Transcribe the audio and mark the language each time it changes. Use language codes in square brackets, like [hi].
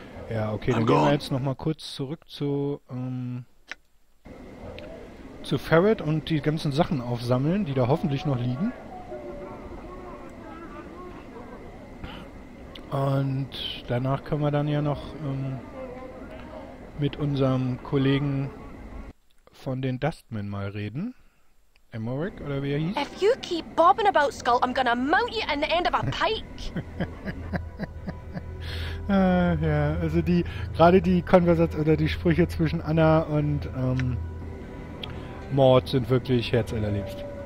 [de] Ja, okay, dann gehen wir jetzt nochmal kurz zurück zu Ferret und die ganzen Sachen aufsammeln, die da hoffentlich noch liegen. Und danach können wir dann ja noch mit unserem Kollegen von den Dustmen mal reden. Emmerich, oder wie er hieß? [en] If you keep bobbing about, Skull, I'm gonna mount you in the end of a pike. [de] ja, also die, gerade die Konversation oder die Sprüche zwischen Anna und Mord sind wirklich herzallerliebst.